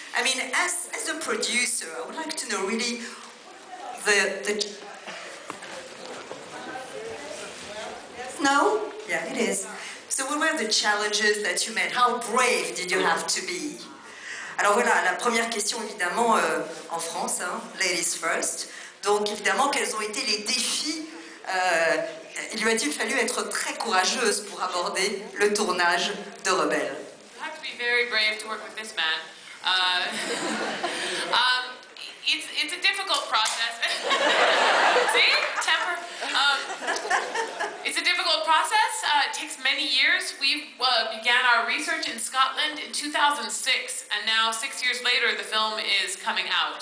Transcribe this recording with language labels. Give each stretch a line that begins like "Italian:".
English: I mean, as a producer, I would like to know really the... No? Yeah, it is. So what were the challenges that you met? How brave did you have to be?
French: Alors voilà, la première question, évidemment, en France, hein,
English: ladies first.
French: Donc évidemment, quels ont été les défis? Il lui a-t-il fallu être très courageuse pour aborder le tournage de Rebelle?
English: You have to be very brave to work with this man. It's a difficult process. See? Temper. It's a difficult process. It takes many years. We began our research in Scotland in 2006, and now 6 years later, the film is coming out.